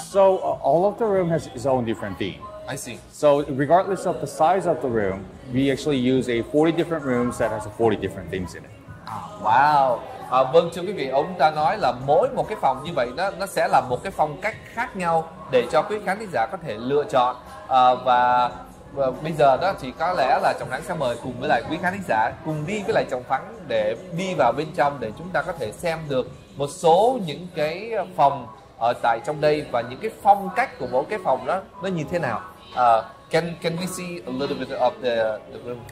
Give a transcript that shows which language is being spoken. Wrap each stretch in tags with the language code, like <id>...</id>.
<en>So all of the room has its own different theme. I see. So regardless of the size of the room, we actually use a 40 different rooms that has 40 different themes in it. Wow.</en> <vi>À, vâng, thưa quý vị, ông ta nói là mỗi một cái phòng như vậy đó, nó sẽ là một cái phong cách khác nhau để cho quý khán giả có thể lựa chọn. Và bây giờ đó thì có lẽ là Trọng Thắng sẽ mời cùng với lại quý khán giả cùng đi với lại Trọng Thắng để đi vào bên trong để chúng ta có thể xem được một số những cái phòng ở tại trong đây và những cái phong cách của mỗi cái phòng đó nó như thế nào.</vi> <en>Can we see a little bit of the room?</en>